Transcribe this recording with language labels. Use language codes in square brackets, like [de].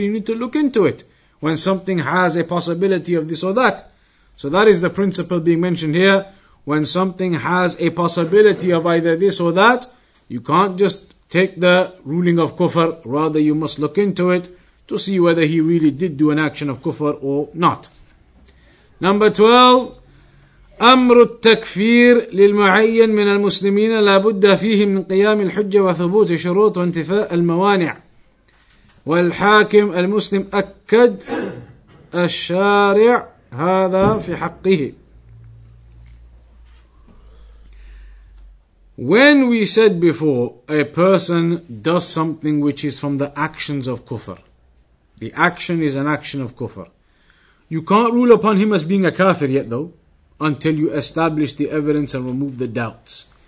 [en] You need to look into it when something has a possibility of this or that. So that is the principle being mentioned here. When something has a possibility of either this or that, you can't just take the ruling of kufr, rather you must look into it to see whether he really did do an action of kufr or not. Number 12, [ar] أمر التكفير للمعين من المسلمين لابد فيه من قيام الحجة وثبوت شروط وانتفاء الموانع والحاكم المسلم أكد الشارع هذا في حقه. [en] When we said before, a person does something which is from the actions of kufr, the action is an action of kufr, you can't rule upon him as being a kafir yet though until you establish the evidence and remove the doubts.